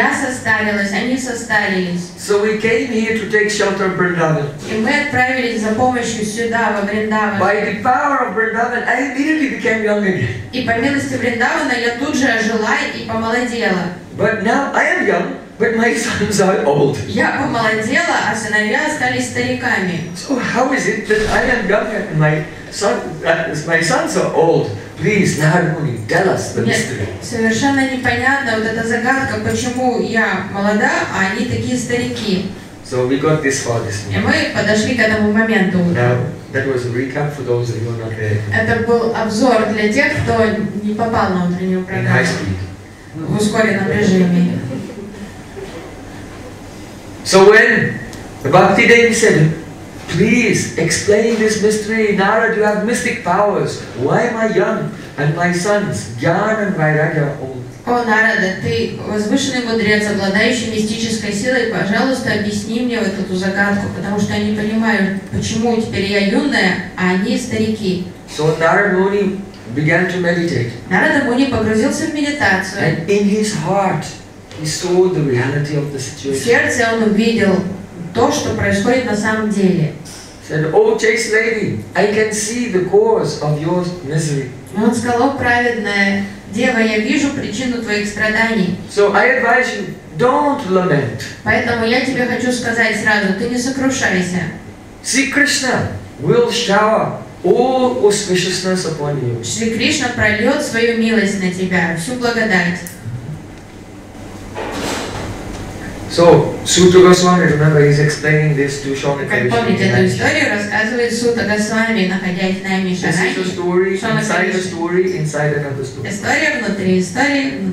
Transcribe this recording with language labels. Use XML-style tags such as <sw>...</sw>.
<ru>Я состарилась, они состарились.</ru> <en>So we came here to take shelter in Vrindavan.</en> <ru>И мы отправились за помощью сюда, во Вриндаван.</ru> <en>By the power of Vrindavan, I immediately became young again.</en> <ru>И по милости Вриндавана я тут же ожила и помолодела.</ru> <en>But now I am young. But my sons are old.</en> <ru>Я помолодела, а сыновья остались стариками.</ru> <en>So how is it that I am young and my sons are old? Please, Narayani, tell us the mystery.</en> <ru>Совершенно непонятно вот эта загадка, почему я молода, а они такие старики.</ru> <en>So we got this far this morning.</en> <ru>И мы подошли к этому моменту.</ru> <en>Now that was a recap for those who are not there.</en> <ru>Это был обзор для тех, кто не попал на утреннюю программу.</ru> <en>In high speed.</en> <ru>В ускоренном режиме.</ru> <en>So when Bhakti Devi said, please explain this mystery, Narad, you have mystic powers. Why am I young and my sons, Gyan and Vairagya, are old?</en> <ru>О, Нарада, ты возвышенный мудрец, обладающий мистической силой, пожалуйста, объясни мне вот эту загадку, потому что я не понимаю, почему теперь я юная, а они старики.</ru> <en>So Narad Muni began to meditate.</en> <ru>Нарада Муни погрузился в медитацию.</ru> <en>And in his heart, he saw the reality of the situation.</en> <ru>В сердце он увидел то, что происходит на самом деле.</ru> <en>Said, "Oh, chaste lady, I can see the cause of your misery."</en> <ru>Он сказал: "О, праведная дева, я вижу причину твоих страданий."</ru> <en>So I advise you, don't lament.</en> <ru>Поэтому я тебе хочу сказать сразу: ты не сокрушайся.</ru> <en>See, Krishna will shower all auspiciousness upon you.</en> <ru>Шри Кришна прольет свою милость на тебя, всю благодать.</ru> <en>So, Suta Goswami, remember, he's explaining this to Shonaka Vishnani. This is a story inside a story inside another story.</en>